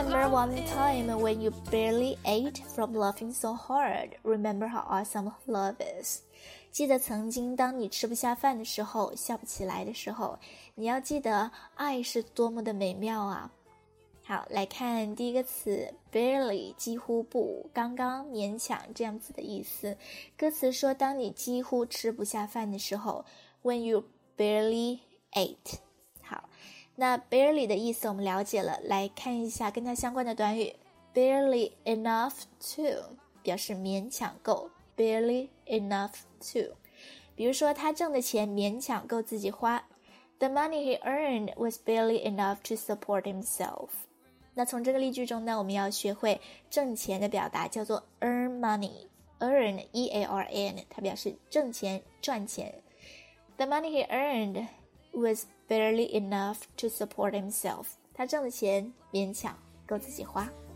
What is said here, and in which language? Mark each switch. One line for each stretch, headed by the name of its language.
English: One time when you barely ate from laughing so hard, remember how awesome love is.
Chinese: 记得曾经当你吃不下饭的时候，笑不起来的时候，你要记得爱是多么的美妙啊。好，来看第一个词 barely， 几乎不，刚刚勉强这样子的意思。歌词说当你几乎吃不下饭的时候
English: when you barely ate。
Chinese: 那 barely 的意思我们了解了，来看一下跟它相关的短语 barely enough to， 表示勉强够 barely enough to。比如说他挣的钱勉强够自己花
English: the money he earned was barely enough to support himself。
Chinese: 那从这个例句中呢，我们要学会挣钱的表达叫做 earn money， earn E-A-R-N， 它表示挣钱赚钱。
English: the money he earned was barely enough to support himself，
Chinese: 他挣的钱勉强够自己花。